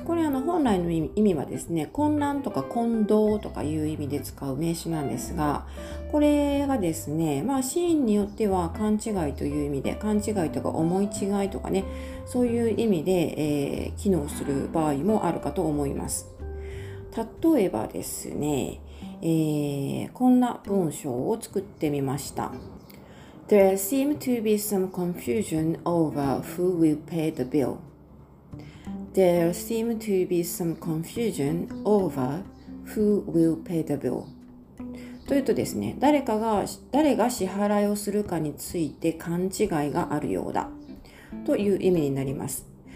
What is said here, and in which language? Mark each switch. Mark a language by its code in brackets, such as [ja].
[ja] これ本来の意味はですね、混乱とか混同とかいう意味で使う名詞なんですが、これがですね、シーンによっては勘違いという意味で、勘違いとか思い違いとかね、そういう意味で、機能する場合もあるかと思います。例えばですね、こんな文章を作ってみました。 [en] There seem to be some confusion over who will pay the bill. There seem to be some confusion over who will pay the bill. [ja] というとですね、誰が支払いをするかについて勘違いがあるようだという意味になります。